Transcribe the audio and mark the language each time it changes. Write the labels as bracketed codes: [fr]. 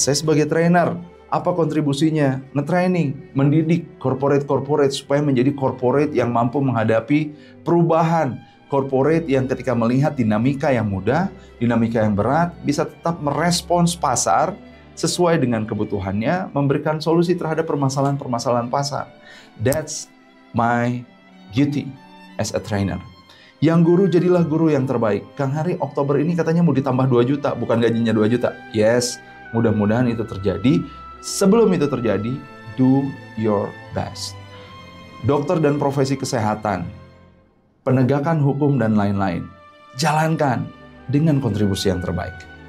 [id] Saya sebagai trainer, apa kontribusinya? Nge-training, mendidik corporate-corporate supaya menjadi corporate yang mampu menghadapi perubahan. Corporate yang ketika melihat dinamika yang mudah, dinamika yang berat, bisa tetap merespons pasar sesuai dengan kebutuhannya, memberikan solusi terhadap permasalahan-permasalahan pasar. [en] That's my duty as a trainer. [id] Yang guru, jadilah guru yang terbaik. Kang Hari, Oktober ini katanya mau ditambah 2 juta, bukan gajinya 2 juta. Yes, mudah-mudahan itu terjadi. Sebelum itu terjadi, [en] do your best. [id] Dokter dan profesi kesehatan, penegakan hukum dan lain-lain, jalankan dengan kontribusi yang terbaik.